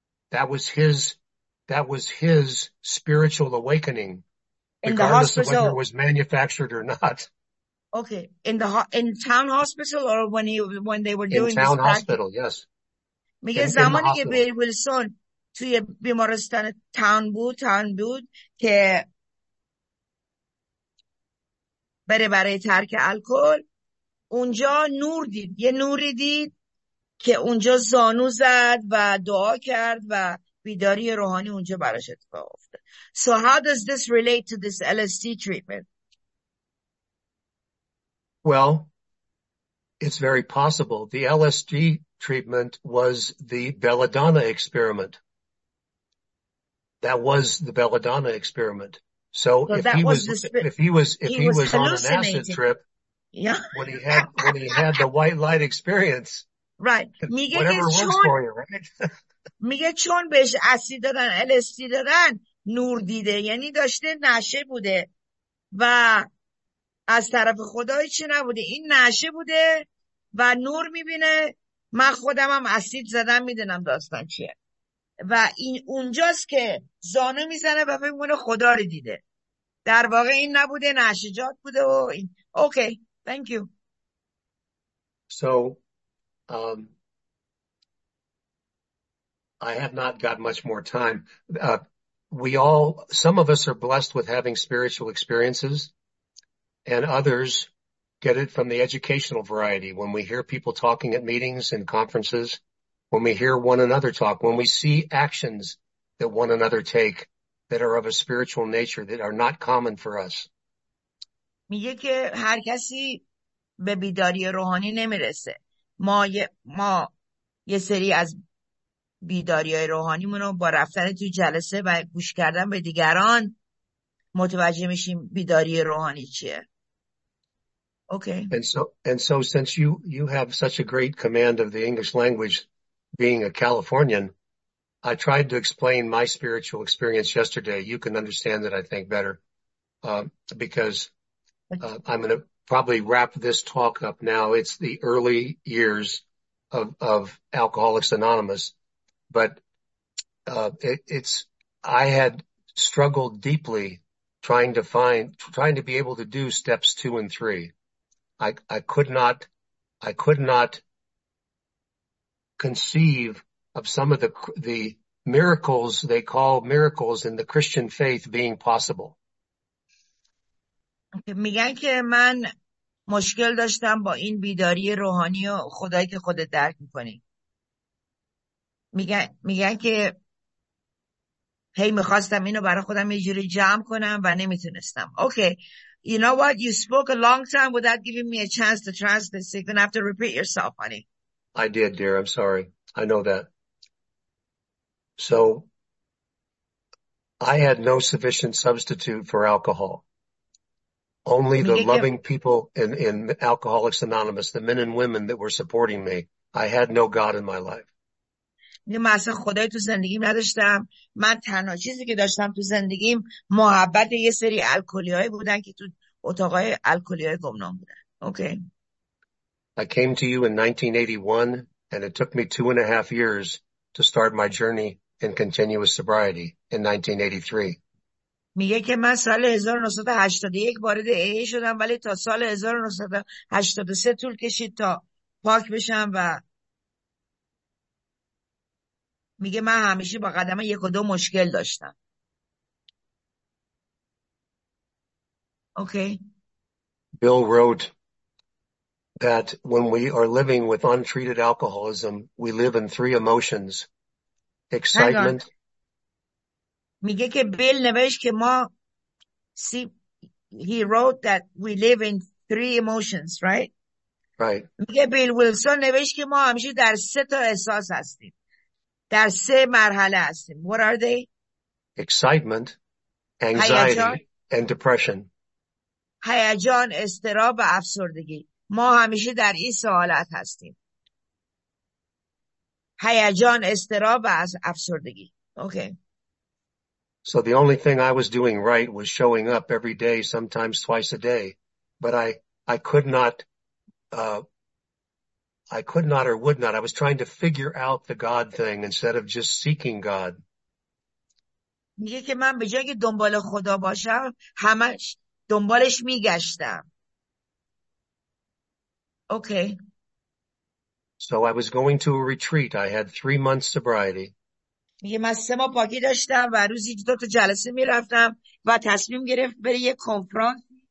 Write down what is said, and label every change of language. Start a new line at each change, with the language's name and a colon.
English: That was his spiritual awakening, in the regardless of hospital. Whether it was manufactured or not. Okay, in town hospital or when they were in doing town this hospital, yes.
Persian: میگه
English: in
Persian: زمانی که بیل ویلسون توی بیمارستان تاون بود که بره برای ترک الکل اونجا نور دید یه نوری دید که اونجا زانو زد و دعا کرد و بیداری روحانی اونجا براش اتفاق افتاد.
English: So how does this relate to this LSD treatment? Well, it's very possible. The LSD treatment was the Belladonna experiment. That was the Belladonna experiment. So if he was on an acid trip, yeah. when he had the white light experience, right. whatever works for you, right?
Persian: میگه چون بهش اسید دادن LSD دادن نور دیده یعنی داشته نشه بوده و از طرف خدایی چی نبوده این نشه بوده و نور میبینه من خودم هم اسید زدم میدونم داستان چیه و این اونجاست که زانو میزنه و میبینه خدا رو دیده در واقع این نبوده نشه جات بوده و این اوکی
English: thank you so I have not got much more time. Some of us are blessed with having spiritual experiences, and others get it from the educational variety. When we hear people talking at meetings and conferences, when we hear one another talk, when we see actions that one another take that are of a spiritual nature that are not common for us.
Persian: میگه که هر کسی به بیداری روحانی نمیرسه. ما یه سری از بیداری های روحانی منو با رفتن تو جلسه و گوش کردن به دیگران متوجه میشیم بیداری روحانی چیه.
English: Okay. And so since you have such a great command of the English language, being a Californian, I tried to explain my spiritual experience yesterday. You can understand that I think better, because I'm going to probably wrap this talk up now. It's the early years of Alcoholics Anonymous, but I had struggled deeply trying to be able to do steps 2 and 3. I could not conceive of some of the miracles they call miracles in the Christian faith being possible.
Persian: میگن که من مشکل داشتم با این بیداری روحانی و خدایی که خودت درک میکنی میگن که هی میخواستم اینو برای خودم یه جوری جمع کنم و نمیتونستم.
English: Okay. You know what? You spoke a long time without giving me a chance to translate, so you're going to have to repeat yourself, honey. I did, dear. I'm sorry. I know that. So, I had no sufficient substitute for alcohol. Only the loving people in Alcoholics Anonymous, the men and women that were supporting me. I had no God in my life.
Persian: من اصلا خدای تو زندگیم نداشتم. من تنها چیزی که داشتم تو زندگیم محبت یه سری الکلی های بودن که تو اتاقای الکلی های گمنام بودن. اوکی.
English: I came to you in 1981 and it took me 2.5 years to start my journey in continuous sobriety in 1983.
Persian: میگه که من سال 1981 وارد AA شدم ولی تا سال 1983 طول کشید تا پاک بشم و میگه من همیشه با قدم یک و دو مشکل داشتم. اوکی.
English: Bill wrote that when we are living with untreated alcoholism, we live in three emotions, excitement.
Persian: میگه که بیل نوشت که ما
English: see, he wrote that we live in three emotions, right? Right.
Persian: میگه بیل ویلسون نوشت که ما همیشه در سه تا احساس هستیم. در سه مرحله هستیم.
English: What are they? Excitement, anxiety, and depression.
Persian: هیجان، استراب و افسردگی. ما همیشه در این سه حالت هستیم. هیجان، استراب و افسردگی. Okay.
English: So the only thing I was doing right was showing up every day, sometimes twice a day. But I could not or would not. I was trying to figure out the God thing instead of just seeking God.
Persian: میگه که من به جای که دنبال خدا باشم همش دنبالش میگشتم. اوکی.
English: So I was going to a retreat. I had 3 months sobriety.
Persian: میگه من 3 ماه پاکی داشتم و روزی 2 تا جلسه میرفتم و تصمیم گرفت بری یک کنفرانس.